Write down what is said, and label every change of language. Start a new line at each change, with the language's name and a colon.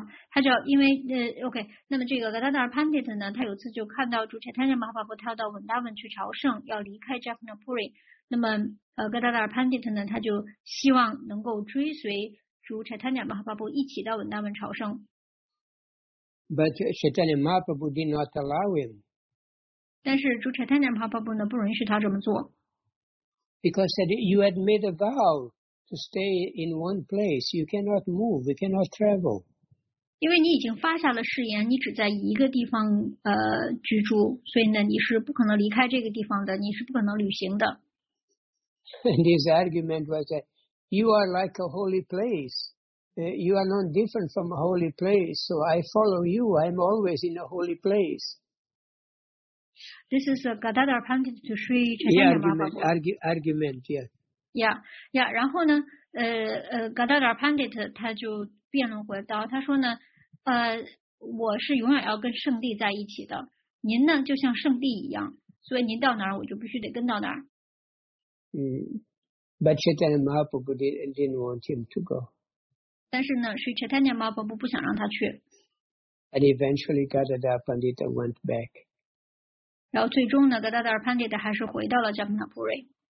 Chinese: 他就因为OK, 那么这个 Gadadhara Pandit 呢他有次就看到主 Chaitanya Mahaprabhu 他要到 Vrindavan 去朝圣要离开 Japanapuri, 那么Gadadhara Pandit 呢他就希望能够追随主 Chaitanya Mahaprabhu 一起到 Vrindavan 朝圣。
English: But Chaitanya Mahaprabhu did not allow him.
Chinese: 但是主 Chaitanya Mahaprabhu 呢不允许他这么做。
English: Because said, you had made a vow to stay in one place, you cannot move, you cannot travel.
Chinese: 因为你已经发下了誓言，你只在一个地方居住，所以呢，你是不可能离开这个地方的，你是不可能旅行的。
English: And his argument was that you are like a holy place, you are not different from a holy place, so I follow you. I'm always in a holy place. This is a Gadadhara Pandit to Sri Chaitanya argument,
Chinese: yeah. 然后呢，Gadadhara Pandit 他就辩论回到，他说呢。我是永远要跟圣地在一起的。您呢，就像圣地一样，所以您到哪儿，我就必须得跟到哪儿。
English: But Chaitanya Mahaprabhu didn't want him to go.
Chinese: 但是呢，是 Chaitanya Mahaprabhu 不想让他去。
English: And eventually Gadadhar Pandita went back.
Chinese: 然后最终呢 ，Gadadhar Pandita 还是回到了 Jamnapuri。